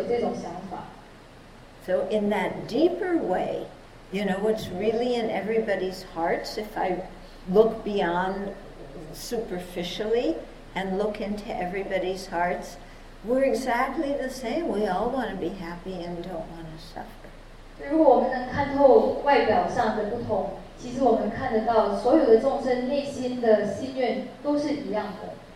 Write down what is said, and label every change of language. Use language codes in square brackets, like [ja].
[zh] 就是只要快乐，不要痛苦，然后所有人都是有这种想法。 [en] So in that deeper way, you know, what's really in everybody's hearts, if I look beyond superficially and look into everybody's hearts, we're exactly the same. We all want to be happy and don't want to suffer. [zh] 如果我们能看透外表上的不同，其实我们看得到所有的众生内心的心愿都是一样的。